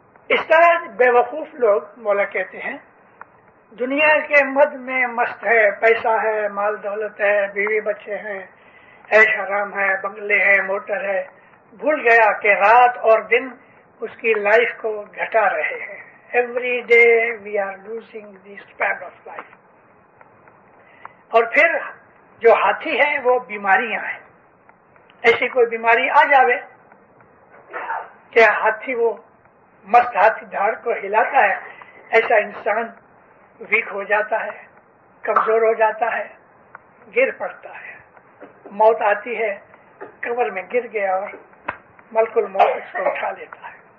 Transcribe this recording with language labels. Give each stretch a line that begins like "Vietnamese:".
Hindi: इस तरह बेवकूफ लोग, मौला कहते हैं, दुनिया के मद में मस्त है, पैसा है, माल दौलत है, बीवी बच्चे हैं, ऐश आराम है, बंगले हैं, मोटर है, भूल गया कि रात और दिन उसकी लाइफ को घटा रहे हैं।
English: Every day we are losing this span of life.
Hindi: और फिर जो हाथी है वो बीमारियां हैं। ऐसी कोई बीमारी आ जावे कि हाथी वो मस्त हाथी धाड़ को हिलाता है, ऐसा इंसान वीक हो जाता है, कमजोर हो जाता है, गिर पड़ता है, मौत आती है, कब्र में गिर गया और मलकुल मौत उसको उठा लेता है।